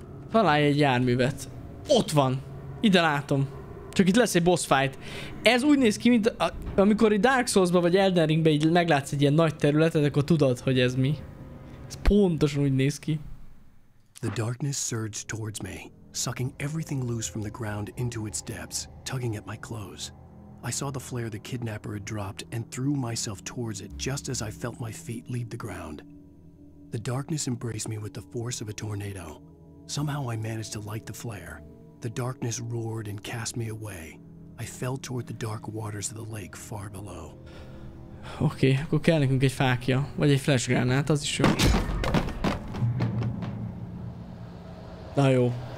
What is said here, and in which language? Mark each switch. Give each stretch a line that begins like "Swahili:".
Hungarian: Találj egy járművet. Ott van. Ide látom. Csak itt lesz egy boss fight. Ez úgy néz ki, mint amikor egy Dark Souls-ba vagy Elden Ringbe így meglátsz egy ilyen nagy területet, akkor tudod, hogy ez mi. Ez pontosan úgy néz ki.
English: The darkness surged towards me, sucking everything loose from the ground into its depths, tugging at my clothes. I saw the flare the kidnapper had dropped and threw myself towards it just as I felt my feet leave the ground. The darkness embraced me with the force of a tornado. Somehow I managed to light the flare. The darkness roared and cast me away. I fell toward the dark waters of the lake far below.
Hungarian: Okay, akkor kell nekünk egy fákja, vagy egy flash granát, az is jó. Na jó.